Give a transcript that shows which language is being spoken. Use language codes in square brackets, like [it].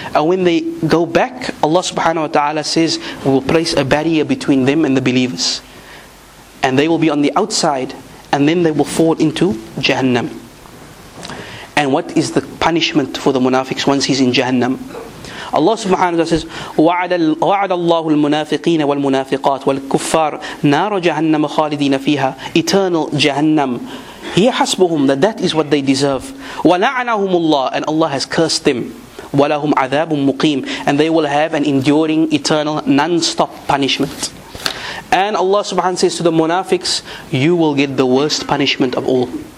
[en] And when they go back, Allah subhanahu wa ta'ala says, we will place a barrier between them and the believers. And they will be on the outside. And then they will fall into Jahannam. And what is the punishment for the munafiqs once he's in Jahannam? [ar] Allah subhanahu wa ta'ala [en] says, [ar] وَعَدَ اللَّهُ الْمُنَافِقِينَ وَالْمُنَافِقَاتِ وَالْكُفَّارِ نَارَ جَهَنَّمَ خَالِدِينَ فِيهَا. [en] Eternal Jahannam. [ar] هِيَ حَسْبُهُمْ. [en] That is what they deserve. [ar] وَلَعَنَهُمُ اللَّهُ. [en] And Allah has cursed them. [ar] وَلَهُمْ عَذَابٌ مُقِيمٌ. [en] And they will have an enduring, eternal, non-stop punishment. And Allah subhanahu wa ta'ala says to the munafiqs, you will get the worst punishment of all.